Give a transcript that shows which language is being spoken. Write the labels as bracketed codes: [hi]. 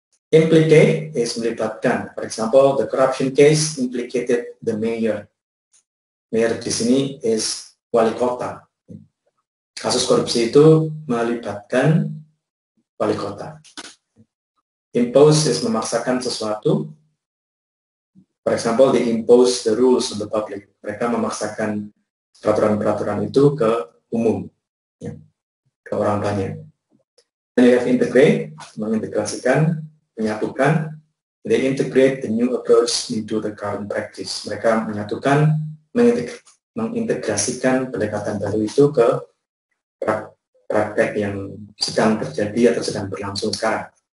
[en] Implicate is melibatkan. For example, the corruption case implicated the mayor. [id] Mayor di sini is wali kota. Kasus korupsi itu melibatkan wali kota. [en] Impose is [id] memaksakan sesuatu. [en] For example, they impose the rules on the public. [id] Mereka memaksakan peraturan-peraturan itu ke umum, ya, ke orang banyak. [en] Then you have integrate, [id] mengintegrasikan, menyatukan. [en] They integrate the new approach into the current practice. [id] Mereka menyatukan, mengintegrasikan pendekatan baru itu ke praktek yang sedang terjadi atau sedang berlangsung sekarang.